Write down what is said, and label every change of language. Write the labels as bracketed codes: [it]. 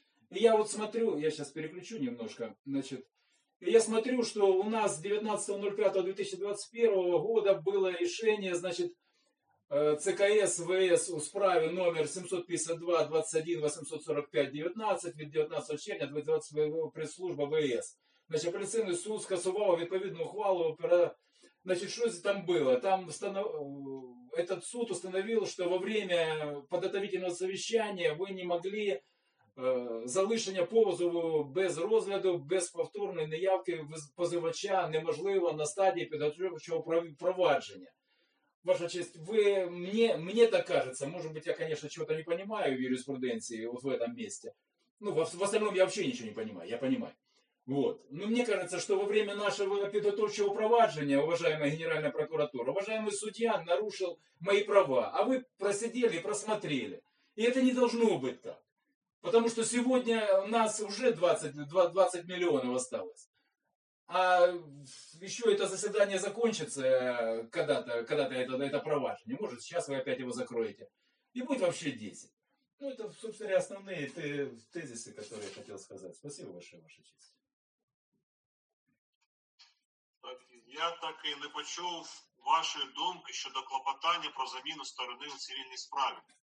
[ru] И я вот смотрю, я сейчас переключу немножко, значит, я смотрю, что у нас 19.05.2021 года было решение, значит, ЦКС ВС у справе номер 752-21-845-19 [uk] від 19 червня 2020 [ru] пресс-служба ВС. Значит, апелляционный суд [uk] скасував відповідну ухвалу про... [ru] Значит, что же там было? Там этот суд установил, что во время подготовительного совещания вы не могли [uk] залишення позову без розгляду, без повторної неявки позивача неможливо на стадії підготовчого провадження. [ru] Ваша честь, мне так кажется, может быть, я, конечно, чего-то не понимаю в юриспруденции вот в этом месте. Ну, в остальном я вообще ничего не понимаю, я понимаю. Вот. Но мне кажется, что во время нашего подготовительного провадження, уважаемая Генеральная прокуратура, уважаемый судья нарушил мои права, а вы просидели и просмотрели. И это не должно быть так. Потому что сегодня у нас уже 20 миллионов осталось. А еще это заседание закончится когда-то это провадження. Может, сейчас вы опять его закроете. И будет вообще 10. Ну, это, собственно, основные тезисы, которые я хотел сказать. Спасибо большое, ваша честь. [uk] Так, я так і не почув вашої думки щодо клопотання про заміну сторони у цивільній справі.